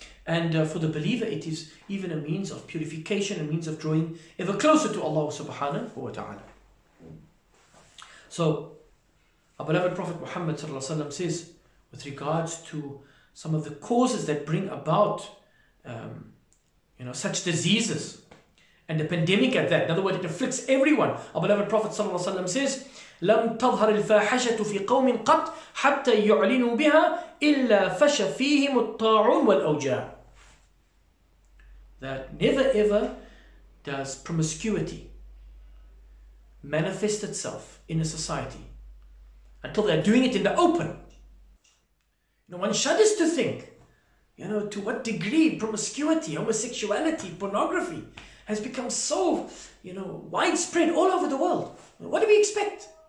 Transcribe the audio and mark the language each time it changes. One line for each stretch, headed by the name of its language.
English: And for the believer, it is even a means of purification, a means of drawing ever closer to Allah subhanahu wa ta'ala. So our beloved Prophet Muhammad sallallahu alaihi wasallam says, with regards to some of the causes that bring about such diseases, and the pandemic at that, in other words, it afflicts everyone. Our beloved Prophet sallallahu alaihi wasallam says,
Arabic: لَمْ تَظْهَرِ الْفَاحَشَةُ فِي قَوْمٍ قَبْتْ حَتَّى يُعْلِنُوا بِهَا إِلَّا فَشَ فِيهِمُ الطَّاعُونَ وَالْأَوْجَاءُ.
English: That never ever does promiscuity manifest itself in a society until they're doing it in the open. No one shudders to think, to what degree promiscuity, homosexuality, pornography has become so, widespread all over the world. What do we expect?